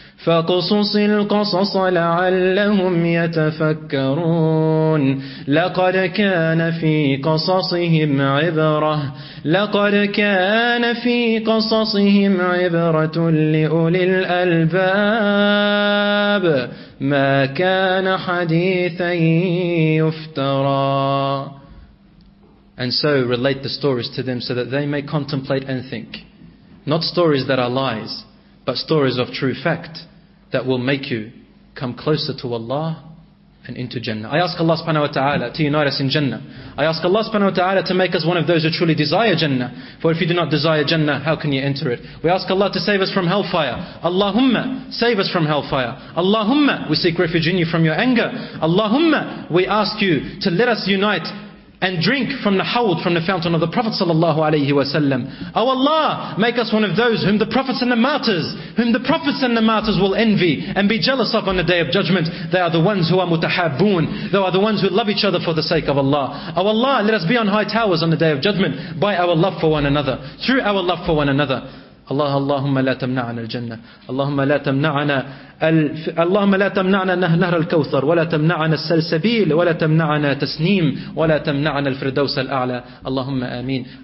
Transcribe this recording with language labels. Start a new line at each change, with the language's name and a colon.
Arabic: فقصص القصص لعلهم يتفكرون لقد كان في قصصهم عبرة لقد كان في قصصهم عبرة لأولي الألباب ما كان حديثا يفترى.
English: And so relate the stories to them so that they may contemplate and think. Not stories that are lies, but stories of true fact that will make you come closer to Allah and into Jannah. I ask Allah subhanahu wa ta'ala to unite us in Jannah. I ask Allah subhanahu wa ta'ala to make us one of those who truly desire Jannah. For if you do not desire Jannah, how can you enter it? We ask Allah to save us from hellfire. Allahumma, save us from hellfire. Allahumma, we seek refuge in you from your anger. Allahumma, we ask you to let us unite and drink from the hawd, from the fountain of the Prophet sallallahu alayhi wa sallam. Oh Allah, make us one of those whom the prophets and the martyrs, whom the prophets and the martyrs will envy and be jealous of on the day of judgment. They are the ones who are mutahabboon. They are the ones who love each other for the sake of Allah. Oh Allah, let us be on high towers on the day of judgment by our love for one another, through our love for one another.
Arabic: Allahumma la tamna'ana al-jannah. Allahumma la tamna'ana اللهم لا تمنعنا نهر الكوثر ولا تمنعنا السلسبيل ولا تمنعنا تسنيم ولا تمنعنا الفردوس الأعلى اللهم آمين.